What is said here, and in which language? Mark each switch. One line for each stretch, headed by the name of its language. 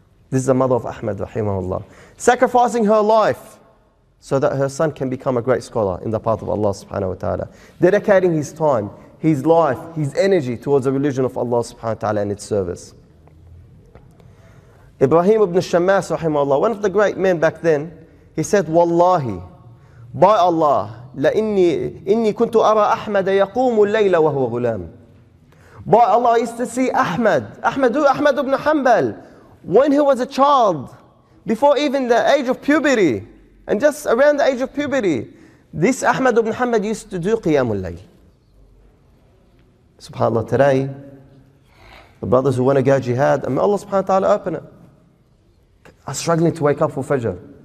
English: This is the mother of Ahmad, rahimahullah. Sacrificing her life so that her son can become a great scholar in the path of Allah subhanahu wa ta'ala. Dedicating his time, his life, his energy towards the religion of Allah subhanahu wa ta'ala and its service. Ibrahim ibn Shammas, rahimahullah, one of the great men back then, he said, Wallahi, by Allah,
Arabic: لإني كنت أرى أحمد يقوم الليل وهو غلام.
English: But Allah used to see Ahmad. Ahmad ibn Hanbal, when he was a child, before even the age of puberty, and just around the age of puberty, this Ahmad ibn Hanbal used to do Qiyam al-Layl. SubhanAllah, today, the brothers who want to go jihad, and may Allah subhanahu wa ta'ala open it, are struggling to wake up for Fajr.